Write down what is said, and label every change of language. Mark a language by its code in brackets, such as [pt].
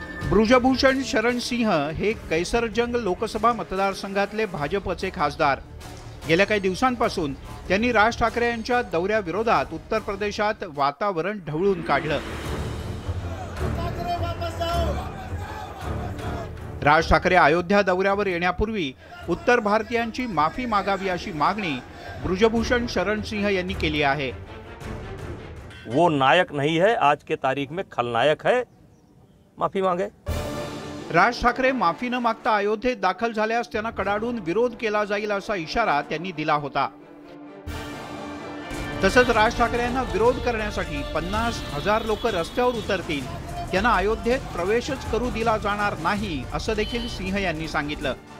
[mr] ब्रजभूषण शरण सिंह हे कैसरजंग लोकसभा मतदारसंघातले भाजपचे खासदार, गेल्या काही दिवसांपासून त्यांनी राज ठाकरे यांच्या दौऱ्याविरोधात उत्तर प्रदेशात वातावरण ढवळून काढलं। राज ठाकरे अयोध्या दौऱ्यावर येण्यापूर्वी उत्तर भारतीयांची माफी मागावी अशी मागणी ब्रजभूषण शरण सिंह यांनी केली आहे। [hi] वो नायक नाही है, आज के तारीख में खलनायक है, माफी मागे। [mr] राज ठाकरे माफी न मागता अयोध्येत दाखल झाल्यास त्यांना कडाडून विरोध केला जाईल असा इशारा त्यांनी दिला होता। तसंच राज ठाकरे यांना विरोध करण्यासाठी 50,000 लोक रस्त्यावर उतरतील, त्यांना अयोध्येत प्रवेशच करू दिला जाणार नाही असं देखील सिंह यांनी सांगितलं।